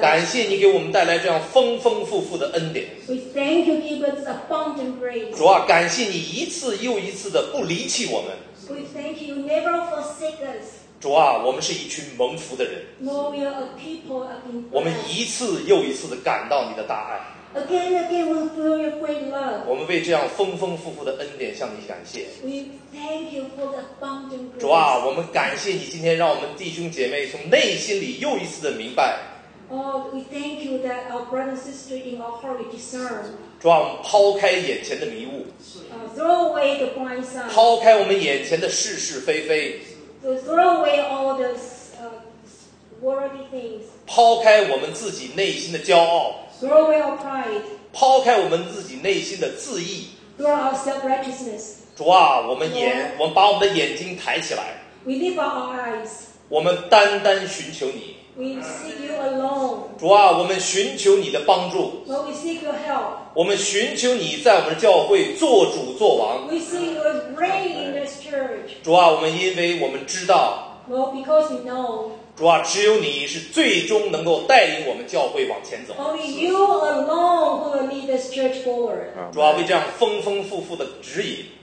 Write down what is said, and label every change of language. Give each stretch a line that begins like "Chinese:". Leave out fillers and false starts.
Chinese: 感谢你给我们带来这样丰丰富富的恩典。
English: We thank you, give us abundant grace.
Chinese: 主啊，感谢你一次又一次的不离弃我们。
English: We thank you, never forsake us.
Chinese: 主啊，我们是一群蒙福的人。
English: Nor will a people have been.
Chinese: 我们一次又一次的感到你的大爱。
English: Again and again, we feel your great love.
Chinese: 我们为这样丰丰富富的恩典向你感谢。
English: We thank you for the abundant grace.
Chinese: 主啊，我们感谢你今天让我们弟兄姐妹从内心里又一次的明白。
English: Oh, we thank you that our brother and sister in our heart we discern.
Chinese: 主啊，我们抛开眼前的迷雾。
English: Throw away the blind sight.
Chinese: 抛开我们眼前的是是非非。
English: Throw away all those worldly things.
Chinese: 抛开我们自己内心的骄傲。
English: Throw away our pride.
Chinese: 抛开我们自己内心的自义。
English: Throw our self-righteousness.
Chinese: 主啊，我们眼，
English: Lord,
Chinese: 我们把我们的眼睛抬起来。
English: We lift up our eyes.
Chinese: 我们单单寻求你。
English: We seek you alone.
Chinese: 主啊，我们寻求你的帮助。
English: Lord, we seek your help.
Chinese: 我们寻求你在我们教会做主做王。
English: We seek your reign in this church.
Chinese: 主啊，我们因为我们知道。
English: Lord, because we know.
Chinese: 主啊，只有你是最终能够带领我们教会往前走。
English: Only you alone will lead this church forward.
Chinese: 主啊，为这样丰丰富富的指引。